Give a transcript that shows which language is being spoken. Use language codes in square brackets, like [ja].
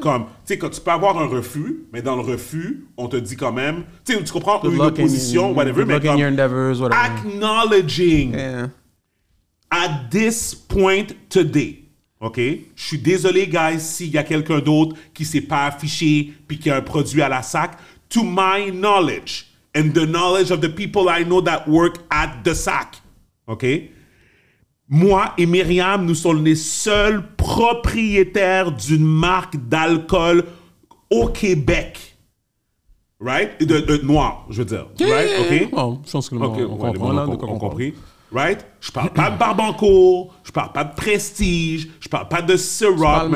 [fr] Comme, tu sais, quand tu peux avoir un refus, mais dans le refus, on te dit quand même, tu sais, tu comprends, [en] good [fr] une opposition, [en] whatever, [fr] mais comme, [en] your endeavors, whatever. Acknowledging yeah. at this point today, OK? [fr] Je suis désolé, [en] guys, [fr] s'il y a quelqu'un d'autre qui ne s'est pas affiché puis qui a un produit à la sac. [en] To my knowledge and the knowledge of the people I know that work at the sac, OK? [fr] Moi et Myriam, nous sommes les seuls propriétaires d'une marque d'alcool au Québec. [en] Right? [fr] De noir, je veux dire. [en] Yeah, right? OK? Yeah, yeah. Well, [fr] je pense que okay, on comprend. On comprend. [en] Right? [fr] Je parle pas de Barbancourt, je parle pas de Prestige, je parle pas de Ciroc, même